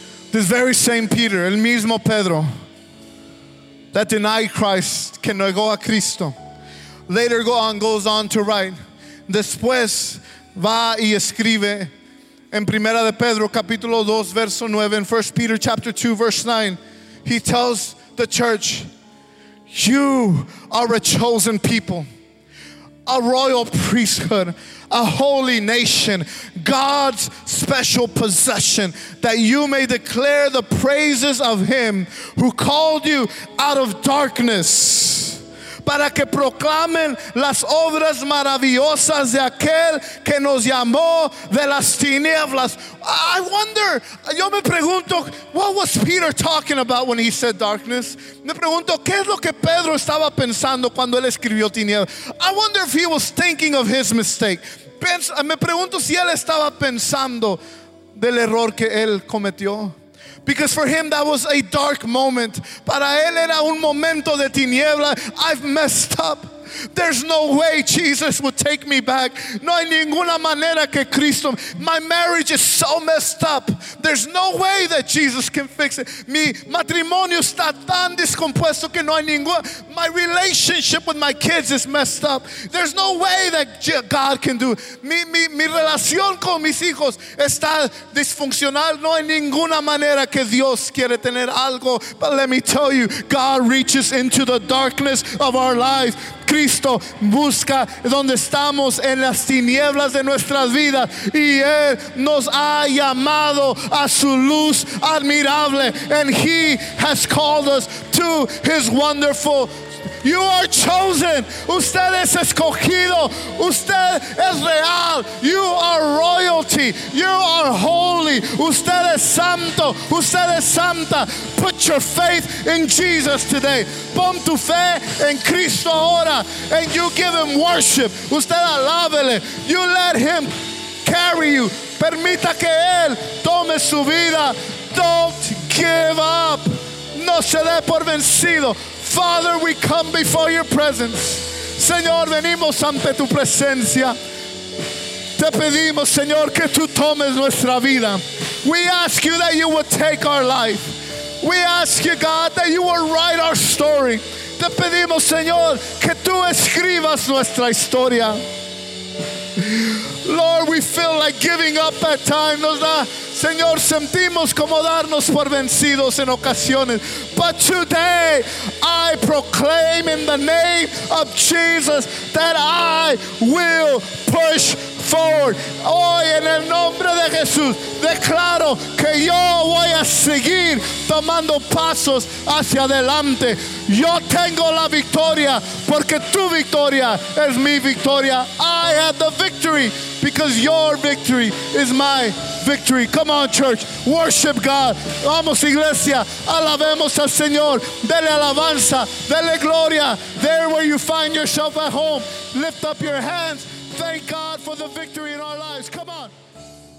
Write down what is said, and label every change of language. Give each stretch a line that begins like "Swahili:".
English: This very same Peter,
Spanish: el mismo Pedro,
English: that denied Christ,
Spanish: que negó a Cristo.
English: Later goes on to write.
Spanish: Después va y escribe en Primera de Pedro, capítulo 2, verso 9,
English: in 1 Peter chapter 2, verse 9. He tells the church, you are a chosen people, a royal priesthood, a holy nation, God's special possession, that you may declare the praises of him who called you out of darkness.
Spanish: Para que proclamen las obras maravillosas de aquel que nos llamó de las tinieblas.
English: I wonder,
Spanish: yo me pregunto,
English: what was Peter talking about when he said darkness?
Spanish: Me pregunto, ¿qué es lo que Pedro estaba pensando cuando él escribió tinieblas?
English: I wonder if he was thinking of his mistake.
Spanish: Me pregunto si él estaba pensando del error que él cometió.
English: Because for him that was a dark moment.
Spanish: Para él era un momento de tiniebla.
English: I've messed up. There's no way Jesus would take me back.
Spanish: No hay ninguna manera que Cristo.
English: My marriage is so messed up. There's no way that Jesus can fix it.
Spanish: Mi matrimonio está tan descompuesto que no hay ninguna.
English: My relationship with my kids is messed up. There's no way that God can do it.
Spanish: Mi relación con mis hijos está disfuncional. No hay ninguna manera que Dios quiere tener algo.
English: But let me tell you, God reaches into the darkness of our lives.
Spanish: Cristo busca donde estamos en las tinieblas de nuestras vidas y Él nos ha llamado a su luz admirable.
English: And He has called us to His wonderful. You are chosen.
Spanish: Usted es escogido. Usted es real.
English: You are royalty. You are holy.
Spanish: Usted es santo. Usted es santa.
English: Put your faith in Jesus today.
Spanish: Pon tu fe en Cristo ahora.
English: And you give him worship.
Spanish: Usted alábele.
English: You let him carry you.
Spanish: Permita que él tome su vida.
English: Don't give up.
Spanish: No se dé por vencido.
English: Father, we come before your presence.
Spanish: Señor, venimos ante tu presencia. Te pedimos, Señor, que tú tomes nuestra vida.
English: We ask you that you would take our life. We ask you, God, that you would write our story.
Spanish: Te pedimos, Señor, que tú escribas nuestra historia.
English: Lord, we feel like giving up at times.
Spanish: Nos da, Señor, sentimos como darnos por vencidos en ocasiones.
English: But today, I proclaim in the name of Jesus that I will push forward.
Spanish: Hoy, en el nombre de Jesús, declaro que yo voy a seguir tomando pasos hacia adelante. Yo tengo la victoria porque tu victoria es mi victoria.
English: I have the victory because your victory is my victory. Come on, church. Worship God.
Spanish: Vamos, iglesia. Alabemos al Señor. Dele alabanza. Dele gloria.
English: There where you find yourself at home, lift up your hands. Thank God for the victory in our lives. Come on.